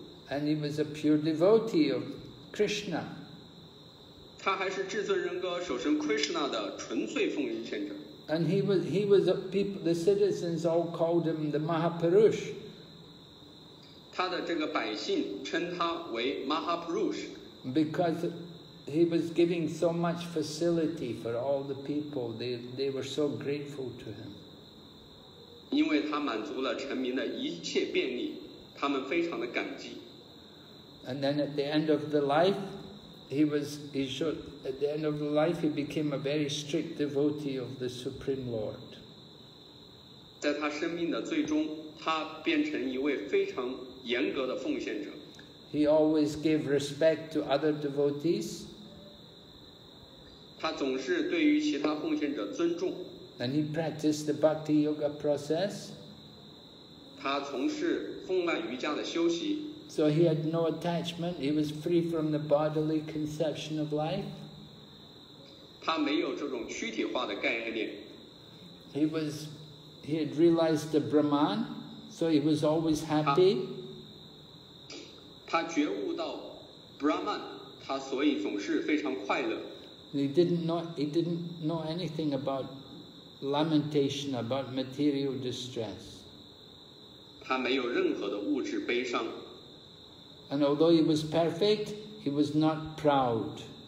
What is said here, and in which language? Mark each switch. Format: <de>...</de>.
<en>And he was a pure devotee of Krishna. And the citizens all called him the Mahapurush.</en> <zh>他的这个百姓称他为 Mahapurush.</zh> <en>Because he was giving so much facility for all the people, they were so grateful to him.</en> <zh>因为他满足了臣民的一切便利，他们非常的感激.</zh> <en>And then at the end of the life, at the end of the life, he became a very strict devotee of the Supreme Lord. In his life's end, he became a very</en> <zh>严格的奉献者。</zh> <en>He always gave respect to other devotees.</en> <zh>他总是对于其他奉献者尊重。</zh> <en>And he practiced the Bhakti Yoga process.</en> <zh>他从事风曼瑜伽的修习。</zh> <en>So he had no attachment. He was free from the bodily conception of life.</en> <zh>他没有这种躯体化的概念。</zh> <en>He had realized the Brahman, so he was always happy.</en> <zh>他觉悟到 Brahman, 他所以总是非常快乐。</zh> <en>He didn't know anything about lamentation, about material distress.</en> <zh>他没有任何的物质悲伤。</zh> <en>And although he was perfect, he was not proud.</en>